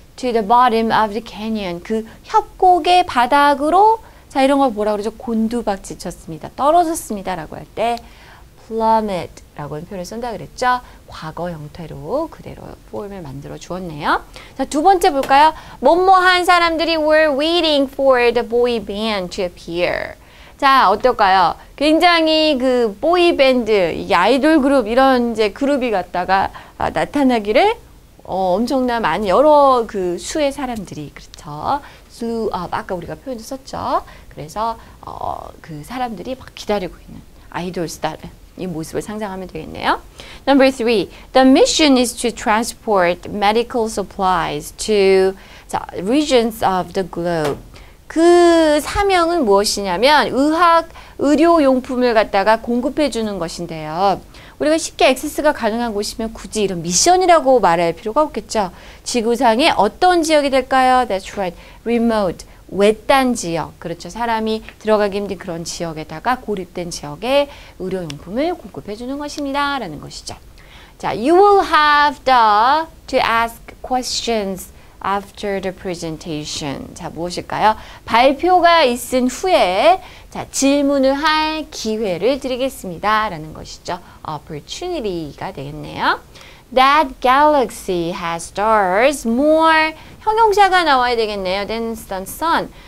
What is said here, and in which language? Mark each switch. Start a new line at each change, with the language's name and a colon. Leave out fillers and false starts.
English: To the bottom of the canyon.
Korean: 그 협곡의 바닥으로, 자, 이런 걸 뭐라 그러죠? 곤두박질쳤습니다. 떨어졌습니다. 라고 할 때 plummet 라고 표현을 쓴다 그랬죠? 과거 형태로 그대로 포함을 만들어 주었네요. 자, 두 번째 볼까요? 뭐뭐한 사람들이
English: were waiting for the boy band to appear.
Korean: 자, 어떨까요? 굉장히 그 보이 밴드, 아이돌 그룹 이런 이제 그룹이 갔다가 나타나기를 엄청나 많은 여러 그 수의 사람들이, 그렇죠? Slew up, 아까 우리가 표현을 썼죠? 그래서 그 사람들이 막 기다리고 있는 아이돌 스타를 이 모습을 상상하면 되겠네요.
English: Number three, the mission is to transport medical supplies to regions of the globe.
Korean: 그 사명은 무엇이냐면 의학 의료용품을 갖다가 공급해 주는 것인데요. 우리가 쉽게 액세스가 가능한 곳이면 굳이 이런 미션이라고 말할 필요가 없겠죠. 지구상의 어떤 지역이 될까요?
English: That's right. Remote.
Korean: 외딴 지역. 그렇죠. 사람이 들어가기 힘든 그런 지역에다가 고립된 지역에 의료용품을 공급해 주는 것입니다. 라는 것이죠.
English: 자, You will have to ask questions after the presentation.
Korean: 자, 무엇일까요? 발표가 있은 후에 자, 질문을 할 기회를 드리겠습니다. 라는 것이죠.
English: Opportunity가
Korean: 되겠네요.
English: That galaxy has stars more.
Korean: 형용사가 나와야 되겠네요.
English: Than the sun.